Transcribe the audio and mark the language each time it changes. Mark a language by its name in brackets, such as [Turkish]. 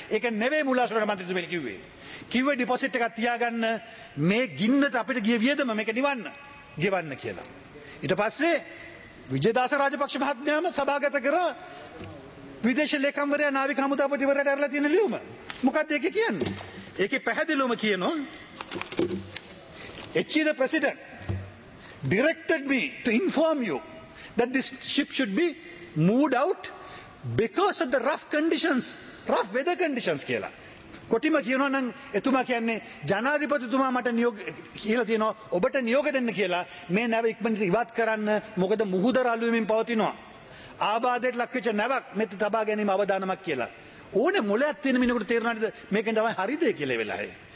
[Sinhala] ඒක නෙවෙයි මුලාසුරණ මන්ත්‍රීතුමනි කිව්වේ. කිව්වේ ඩිපොසිට් එකක් තියාගන්න මේ ගින්නට අපිට ගිය වියදම මේක නිවන්න ගෙවන්න කියලා. ඊට පස්සේ විජේදාස රාජපක්ෂ මහත්මයාම සභාගත කර විදේශ ලේකම්වරයා නාවික හමුදාපතිවරයාට අරලා තියෙන ලියුම මොකක්ද ඒක කියන්නේ? ඒකේ පැහැදිලිවම කියනවා [English] HE the president directed me to inform you that this ship should be moved out because of the rough weather conditions [Sinhala] කියලා. කොටිම කියනවා නම් එතුමා කියන්නේ ජනාධිපතිතුමා මට නියෝග කියලා තියෙනවා ඔබට නියෝග දෙන්න කියලා මේ නැව ඉක්මනට ඉවත් කරන්න. මොකද මුහුද රළුවෙමින් පවතිනවා. ආබාධයට ලක් වෙච්ච නැවක් මෙතන තබා ගැනීම අවදානමක් කියලා. ඕනේ මුලයක් තියෙන මිනිකට තේරෙනවද මේකෙන් තමයි හරිද කියලා වෙලාවේ.